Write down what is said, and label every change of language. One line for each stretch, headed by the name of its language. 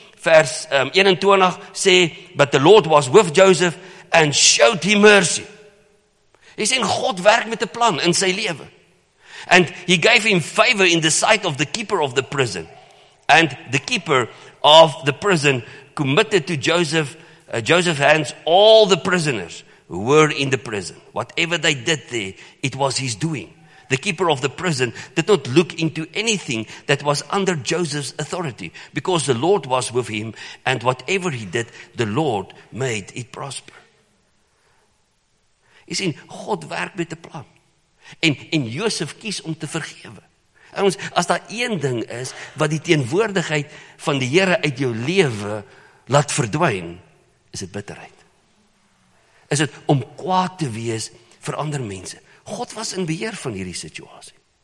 Afrikaans: Vers 21 sê,
English: but the Lord was with Joseph and showed him mercy.
Afrikaans: Hy sê, God werk met 'n plan in sy lewe.
English: And he gave him favor in the sight of the keeper of the prison. And the keeper of the prison committed to Joseph's hands all the prisoners. Were in the prison. Whatever they did there, it was his doing. The keeper of the prison did not look into anything that was under Joseph's authority, because the Lord was with him, and whatever he did, the Lord made it prosper.
Afrikaans: Jy sien, God werk met 'n plan. En Josef kies om te vergewe. En ons, as daar een ding is, wat die teenwoordigheid van die Here uit jou lewe laat verdwyn, is dit bitterheid. Is dit om kwaad te wees vir ander mense. God was in beheer van hierdie situasie.